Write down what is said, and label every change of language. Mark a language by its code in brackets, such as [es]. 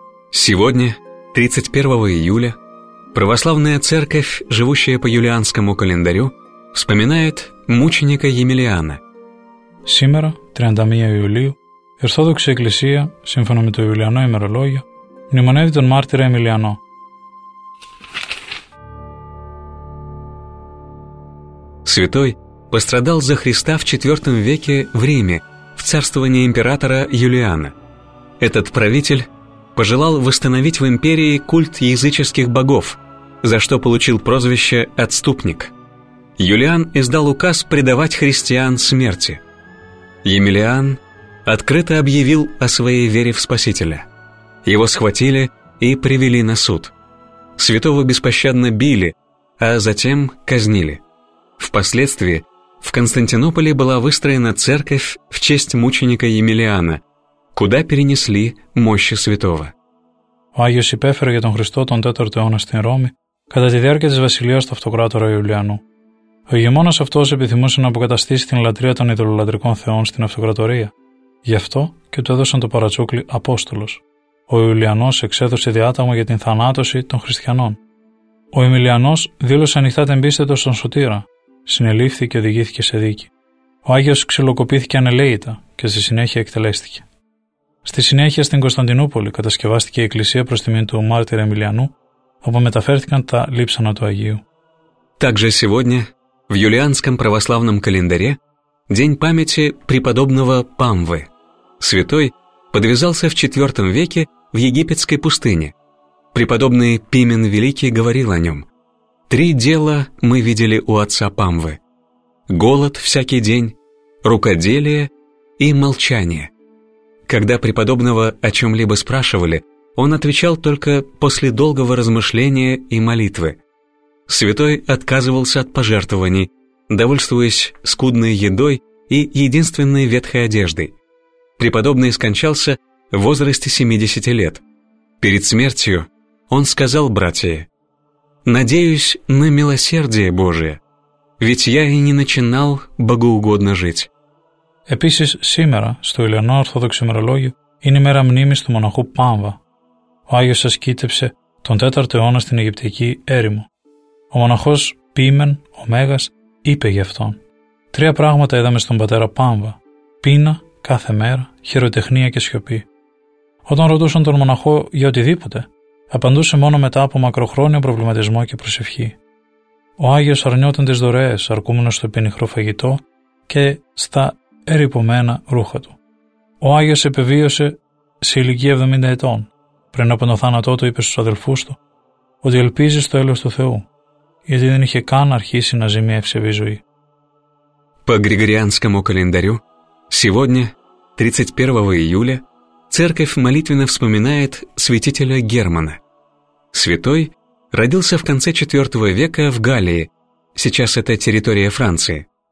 [ru] Сегодня, 31 июля, православная церковь, живущая по юлианскому календарю, вспоминает мученика Емелиана. Сегодня, 31 июля, [el] Ορθόδοξη Εκκλησία, σύμφωνα με το Ιουλιανό ημερολόγιο, μνημονεύει τον μάρτυρα Εμιλιανό. [ru] Святой пострадал за Христа в 4 веке в Риме, в царствовании императора Юлиана. Этот правитель пожелал восстановить в империи культ языческих богов, за что получил прозвище «отступник». Юлиан издал указ предавать христиан смерти. Емелиан открыто объявил о своей вере в Спасителя. Его схватили и привели на суд. Святого беспощадно били, а затем казнили. Впоследствии в Константинополе была выстроена церковь в честь мученика Емелиана, куда перенесли мощи святого. [el] Ο Άγιος υπέφερε για τον Χριστό τον 4ο αιώνα στην Ρώμη κατά τη διάρκεια της βασιλείας του αυτοκράτορα Ιουλιανού. Ο ηγεμόνας αυτός επιθυμούσε να αποκαταστήσει την λατρεία των ειδωλολατρικών θεών στην αυτοκρατορία. Γι' αυτό και του έδωσαν το παρατσούκλι Απόστολος. Ο Ιουλιανός εξέδωσε διάταγμα για την θανάτωση των χριστιανών. Ο Εμιλιανός δήλωσε ανοιχτά τεμπίστευτος στον Σωτήρα, συνελήφθη και οδηγήθηκε σε δίκη. Ο Άγιος ξυλοκοπήθηκε ανελέητα και στη συνέχεια εκτελέστηκε. Στη συνέχεια στην Κωνσταντινούπολη κατασκευάστηκε η εκκλησία προς τιμήν του μάρτυρα Εμιλιανού, όπου μεταφέρθηκαν τα λείψανα του Αγίου. [ru] Также сегодня в юлианском православном календаре день памяти преподобного Памвы. Святой подвязался в 4 веке в египетской пустыне. Преподобный Пимен Великий говорил о нем. «Три дела мы видели у отца Памвы. Голод всякий день, рукоделие и молчание». Когда преподобного о чем-либо спрашивали, он отвечал только после долгого размышления и молитвы. Святой отказывался от пожертвований, довольствуясь скудной едой и единственной ветхой одеждой. Преподобный скончался в возрасте 70 лет. Перед смертью он сказал братии: «Надеюсь на милосердие Божие, ведь я и не начинал богоугодно жить». [el] Επίσης, σήμερα, στο Ιουλιανό Ορθόδοξο ημερολόγιο, είναι η μέρα μνήμης του μοναχού Πάμβα. Ο Άγιος ασκήτευσε τον 4ο αιώνα στην Αιγυπτιακή έρημο. Ο μοναχός Πίμεν, ο Μέγας, είπε γι' αυτόν. Τρία πράγματα είδαμε στον πατέρα Πάμβα: πείνα κάθε μέρα, χειροτεχνία και σιωπή. Όταν ρωτούσαν τον μοναχό για οτιδήποτε, απαντούσε μόνο μετά από μακροχρόνιο προβληματισμό και προσευχή. Ο Άγιος αρνιόταν τις δωρεές, αρκούμενος στο πενιχρό φαγητό και στα ερυπωμένα ρούχα του. Ο Άγιος επεβίωσε σε ηλικία 70 ετών. Πριν από τον θάνατό του, είπε στους αδελφούς του ότι ελπίζει στο έλεος του Θεού, γιατί δεν είχε καν αρχίσει να ζει μια ευσεβή ζωή. [ru] По григорианскому календарю, сегодня, 31 июля, церковь молитвенно вспоминает святителя Германа. Святой родился в конце 4 века в Галлии, сейчас это территория Франции.